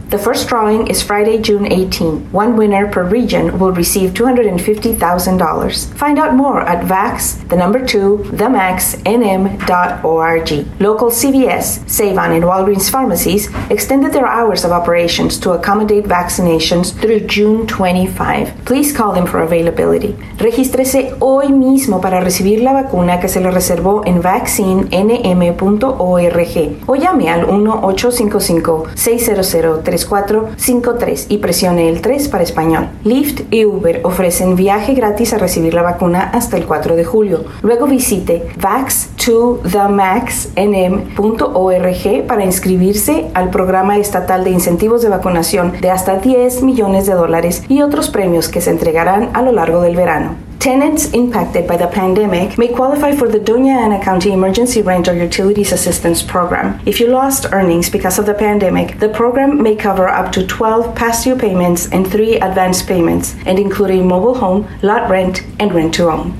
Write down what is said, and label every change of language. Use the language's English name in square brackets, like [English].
[English] The first drawing is Friday, June 18. One winner per region will receive $250,000. Find out more at vax2themaxnm.org. Local CVS, Save-On, and Walgreens pharmacies extended their hours of operations to accommodate vaccinations through June 25. Please call them for availability. [Spanish] Regístrese hoy mismo para recibir la vacuna que se le reservó en vaccinenm.org o llame al 1-855-600-3. 453 y presione el 3 para español. Lyft y Uber ofrecen viaje gratis a recibir la vacuna hasta el 4 de julio. Luego visite vax2themaxnm.org para inscribirse al programa estatal de incentivos de vacunación de hasta $10 millones y otros premios que se entregarán a lo largo del verano. [English] Tenants impacted by the pandemic may qualify for the Doñana County Emergency Rent or Utilities Assistance Program. If you lost earnings because of the pandemic, the program may cover up to 12 past due payments and 3 advance payments, and include a mobile home, lot rent, and rent to own.